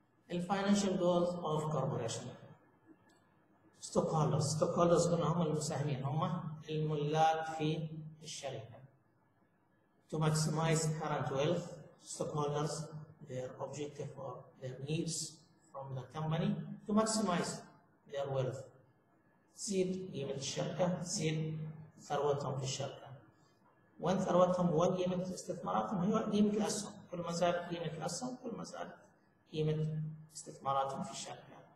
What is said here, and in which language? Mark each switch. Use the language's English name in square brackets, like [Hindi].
[English] الـ financial goals of corporation. [Arabic] Stockholders هنا هم المساهمين هم الملاك في الشركة. [English] To maximize current wealth, stockholders their objective or their needs from the company to maximize their wealth. [Arabic] تزيد قيمة الشركة تزيد ثروتهم في الشركة. وين ثروتهم وين قيمة استثماراتهم هي قيمة الأسهم. كل ما زادت قيمة الأسهم كل ما زادت قيمة استثماراتهم في الشركة.